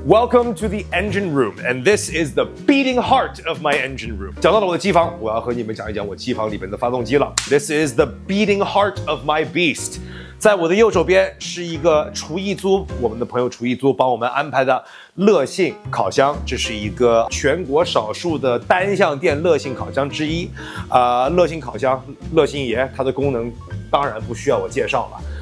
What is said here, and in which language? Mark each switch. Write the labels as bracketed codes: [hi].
[en] Welcome to the engine room, and this is the beating heart of my engine room. [zh] 讲到了我的机房，我要和你们讲一讲我机房里面的发动机了。 [en] This is the beating heart of my beast. [zh] 在我的右手边是一个厨艺租，我们的朋友厨艺租帮我们安排的乐信烤箱，这是一个全国少数的单向电乐信烤箱之一。乐信烤箱，乐信爷，它的功能当然不需要我介绍了。